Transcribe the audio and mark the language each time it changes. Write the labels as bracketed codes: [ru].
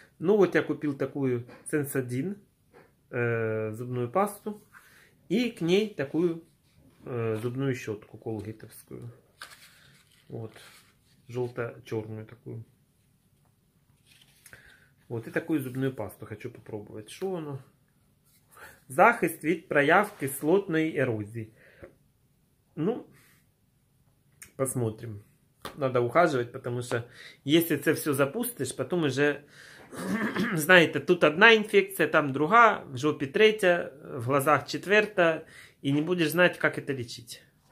[ru] Ну вот я купил такую Sensodyne зубную пасту. И к ней такую зубную щетку колгейтовскую. Вот. Желто-черную такую. Вот. И такую зубную пасту хочу попробовать. Что оно? [uk] Захист від прояв кислотної ерозії. [ru] Ну, посмотрим. Надо ухаживать, потому что если [uk] це все [ru] запустишь, потом уже знаете, тут одна инфекция, там другая, в жопе третья, в глазах четвертая, и не будешь знать, как это лечить.